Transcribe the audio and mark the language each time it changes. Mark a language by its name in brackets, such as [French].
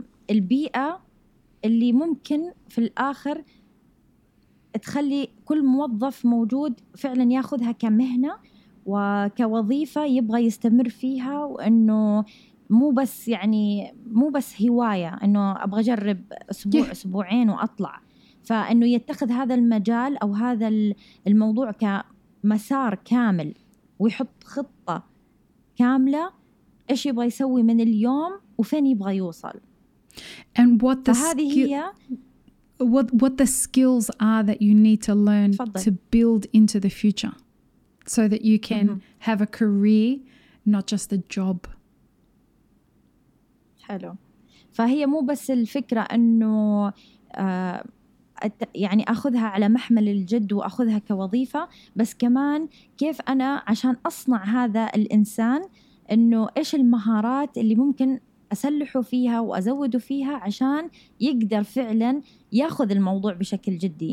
[Arabic] البيئة اللي ممكن في الآخر تخلي كل موظف موجود فعلا ياخذها كمهنة وكوظيفة يبغى يستمر فيها، وانه مو بس يعني مو بس هواية انه ابغى اجرب اسبوع اسبوعين واطلع، فانه يتخذ هذا المجال او هذا الموضوع كمسار كامل ويحط خطة كاملة ايش يبغى يسوي من اليوم وفين يبغى يوصل. [English] And what the [Arabic] فهذه هي [English] What the skills are that you need to learn to build into the future so that you can have a career, not just a job. [Arabic] حلو. فهي مو بس الفكرة أنه يعني أخذها على محمل الجد وأخذها كوظيفة، بس كمان كيف أنا عشان أصنع هذا الإنسان أنه إيش المهارات اللي ممكن أسلحه فيها وأزوده فيها عشان يقدر فعلاً ياخذ الموضوع بشكل جدي.